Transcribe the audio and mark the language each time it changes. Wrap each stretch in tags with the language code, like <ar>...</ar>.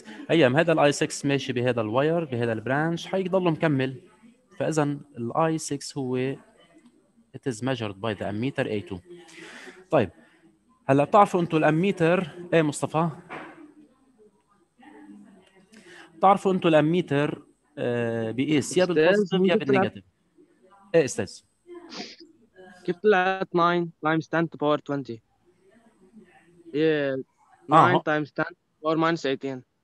<ar>أيام هذا I6 ماشي بهذا الواير بهذا البرانش، حيضل مكمل. فإذا</ar> <en>I6</en> <ar>هو</ar> <en>it is measured by the ammeter A2.</en> <ar>طيب هلا بتعرفوا أنتوا الأميتر إيه مصطفى؟ بتعرفوا أنتوا الأميتر بيقيس يا بالبوزيتيف يا بالنيجاتيف؟ إيه أستاذ؟ كيف طلعت</ar> <en>9 times 10 to power 20؟ yeah 9 times 10 power minus 18.</en>